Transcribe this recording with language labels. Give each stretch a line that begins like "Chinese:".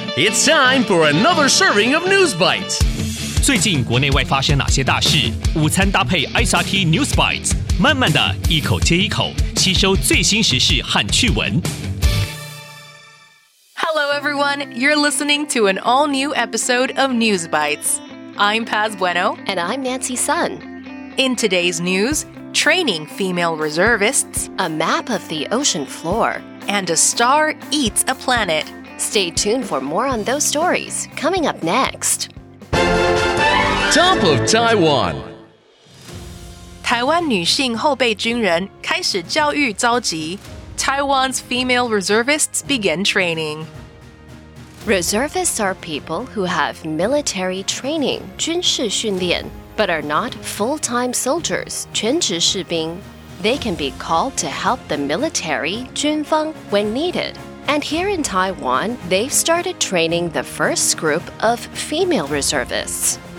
English: It's time for another serving of News Bites.
Chinese: 最近国内外发生哪些大事？午餐搭配 SRT News Bites， 慢慢的一口接一口，吸收最新时事和趣闻。
English: Hello everyone, you're listening to an all new episode of News Bites. I'm Paz Bueno. And I'm Nancy Sun. In today's news, training female reservists, a map of the ocean floor, and a star eats a planet. Stay tuned for more on those stories coming up next. Top of Taiwan.
Chinese: 台湾女性后备军人开始教育召集。
English: Taiwan's female reservists begin training. Reservists are people who have military training, 军事训练, but are not full-time soldiers, 全职士兵。 They can be called to help the military, 军方, when needed. And here in Taiwan, they've started training the first group of female reservists.